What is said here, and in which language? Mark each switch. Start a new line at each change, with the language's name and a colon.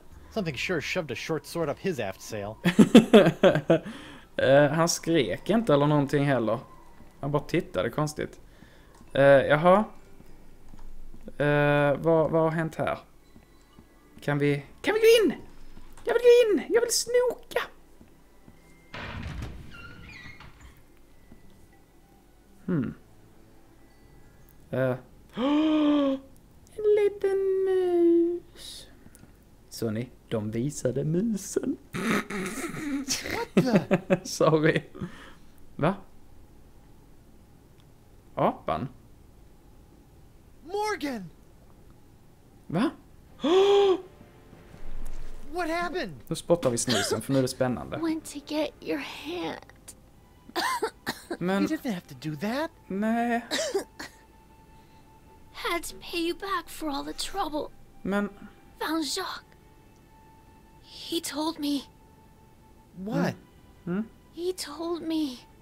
English: Something sure shoved a short sword up his aft sail.
Swedish: Han skrek inte eller någonting heller. Han bara tittade konstigt. Jaha. Vad har hänt här? Kan vi gå in? Jag vill gå in! Jag vill snoka! En liten mus. Sonny, de visade musen. Sorry. Va? Apan? Morgan! Va?
English: What happened?
Swedish: Då spottar vi snusen, för nu är det spännande.
English: Went to get your hand.
Swedish: Men...
English: You didn't have to do that.
Swedish: Nej.
English: Had to pay you back for all the trouble.
Swedish: Men...
English: Found Jacques. He told me. What? He told me.